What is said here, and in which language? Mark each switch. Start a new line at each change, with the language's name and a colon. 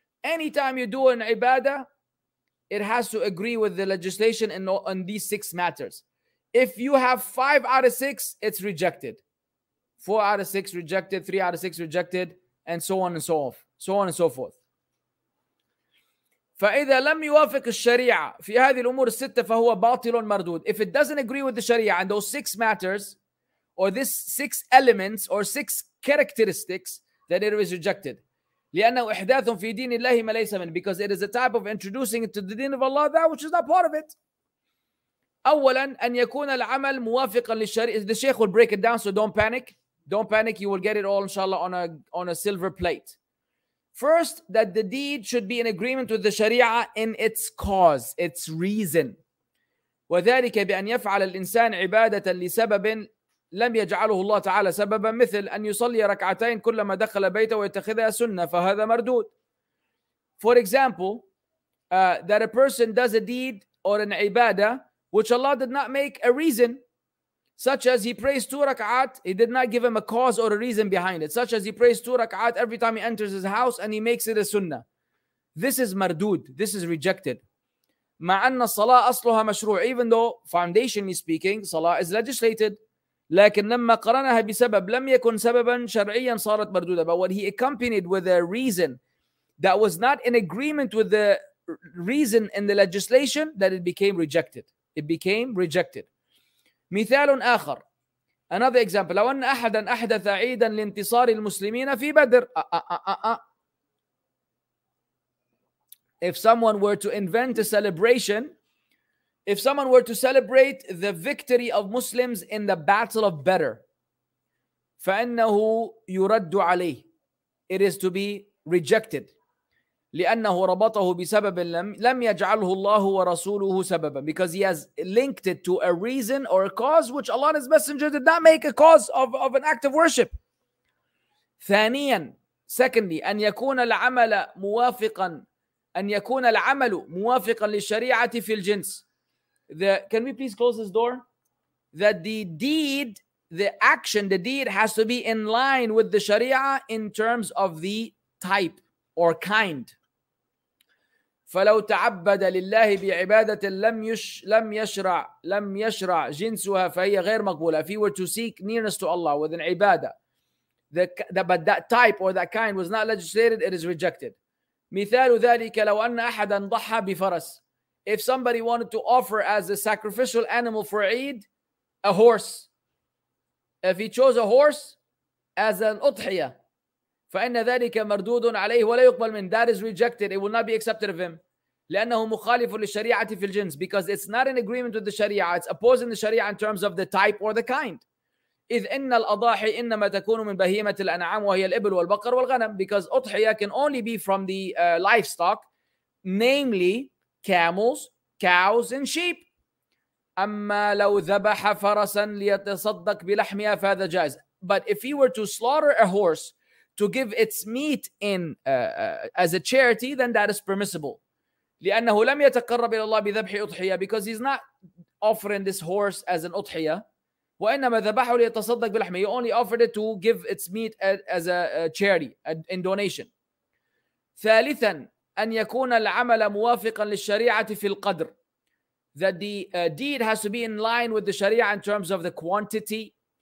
English: Anytime you do an ibadah, it has to agree with the legislation in these six matters. If you have 5 out of 6, it's rejected. 4 out of 6 rejected, 3 out of 6 rejected, and so on and so off, so on and so forth.
Arabic: فإذا لم يوافق الشريعة في هذه الأمور الستة فهو باطل مردود.
English: If it doesn't agree with the Sharia and those six matters, or this six elements, or six characteristics, then it is rejected.
Arabic: لأنه إحداث في دين الله ما ليس من,
English: because it is a type of introducing it to the deen of Allah that which is not part of it.
Arabic: أولا أن يكون العمل موافقا للشريعة.
English: The Sheikh will break it down, so don't panic. Don't panic, you will get it all inshallah on a silver plate. First, that the deed should be in agreement with the Sharia in its cause, its reason.
Arabic: وذلك بأن يفعل الإنسان عبادة لسبب لم يجعله الله تعالى سببا, مثل أن يصلي ركعتين كلما دخل بيته ويتخذها سنة, فهذا مردود.
English: For example, that a person does a deed or an ibadah which Allah did not make a reason, such as he prays 2 rak'at, he did not give him a cause or a reason behind it, such as he prays 2 rak'at every time he enters his house and he makes it a sunnah. This is mardood, this is rejected.
Arabic: مَعَ أَنَّ الصَّلَاةَ أَصْلُهَا مَشْرُوعٌ.
English: Even though, foundationally speaking, salah is legislated,
Arabic: لَكِنْ لَمَّا قَرَنَهَا بِسَبَبٍ لَمْ يَكُنْ سَبَبًا شَرْعِيًّا صَارَتْ مَرْدُودًا.
English: But when he accompanied with a reason that was not in agreement with the reason in the legislation, that it became rejected. It became rejected.
Arabic: مثال آخر.
English: Another example.
Arabic: لو أن أحدا أحدث عيدا لانتصار المسلمين في بدر.
English: If someone were to invent a celebration, if someone were to celebrate the victory of Muslims in the battle of Badr,
Arabic: فإنه يرد عليه.
English: It is to be rejected.
Arabic: لأنه ربطه بسبب لم يجعله الله ورسوله سببا,
English: because he has linked it to a reason or a cause which Allah and His Messenger did not make a cause of an act of worship.
Arabic: ثانيا,
English: secondly,
Arabic: أن يكون العمل موافقا للشريعة في الجنس.
English: Can we please close this door? That the deed, the action, the deed has to be in line with the Sharia in terms of the type or kind.
Arabic: فلو تعبد لله بعبادة لم يشرع جنسها فهي غير مقبولة.
English: If he were to seek nearness to Allah with an ibadah, but that type or that kind was not legislated, it is rejected.
Arabic: مثال ذلك لو أن أحدا ضحى بفرس.
English: if somebody wanted to offer as a sacrificial animal for Eid, a horse. If he chose a horse as an udhiya,
Arabic: فَإِنَّ ذَلِكَ مَرْدُودٌ عَلَيْهِ وَلَا يُقْبَلْ مِنْ.
English: That is rejected. It will not be accepted of him.
Arabic: لأنه مخالف للشريعة في الجنس.
English: Because it's not in agreement with the sharia. It's opposing the sharia in terms of the type or the kind.
Arabic: إِذْ إِنَّ الْأَضَاحِ إِنَّمَا تَكُونُ مِنْ بَهِيمَةِ الْأَنْعَامُ وَهِيَ الْإِبْلُ وَالْبَقَرُ وَالْغَنَمُ.
English: Because udhiya can only be from the livestock. Namely, camels, cows, and sheep.
Arabic: أَمَّا لَوْ ذَبَحَ فَرَسًا لِيَتَصَدَّقْ بِلَحْمِهَا فَهَذَا جَائِز.
English: But if he were to slaughter a horse to give its meat in as a charity, then that is permissible.
Arabic: لأنه لم يتقرب إلى الله بذبح أضحية,
English: because he's not offering this horse as an
Arabic: أضحية. وإنما ذبحه ليتصدق بلحمه.
English: He only offered it to give its meat as a charity, in donation.
Arabic: ثالثا, أن يكون العمل موافقا للشريعة في القدر.
English: That the deed has to be in line with the sharia in terms of the quantity.